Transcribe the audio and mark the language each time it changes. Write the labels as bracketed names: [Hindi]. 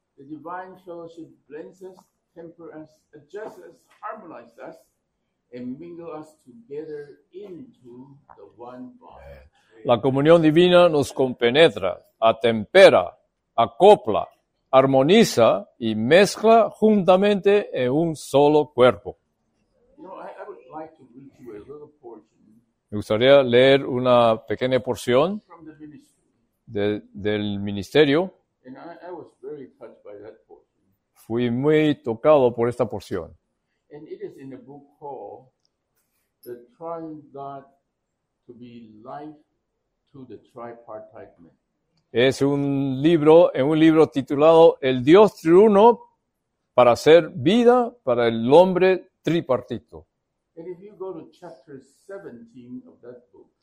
[English] the divine fellowship blends us, tempers us, adjusts us, harmonizes us, and mingles us together into the one body. [Spanish] La comunión divina nos compenetra, atempera, acopla, armoniza y mezcla juntamente en un solo cuerpo. [English] I would like to read you a little portion. [Spanish] Me gustaría leer una pequeña porción [English] from the ministry. [Spanish] Del ministerio. [English] And I was very touched by that portion. [Spanish] Fui muy tocado por esta porción. [English] And it is in a book called The Trying God to be Life to the Tripartite Man. [Spanish] Es un libro titulado El Dios Triuno para hacer vida para el hombre tripartito. [English] And if you go to chapter 17 of that book.